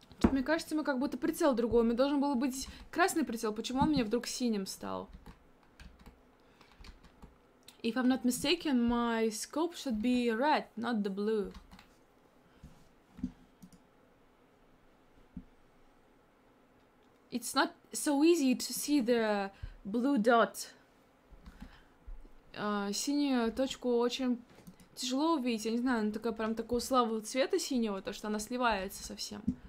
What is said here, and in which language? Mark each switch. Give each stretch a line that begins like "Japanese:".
Russian: Мне кажется, мы как будто прицел другой. У меня должен был быть красный прицел. Почему он мне вдруг синим стал?
English: If I'm not mistaken, my scope should be red, not the blue. It's not so easy to see the blue dot.
Russian: Синюю точку очень тяжело увидеть. Я не знаю, она такая прям такого слабого цвета синего, то что она сливается совсем.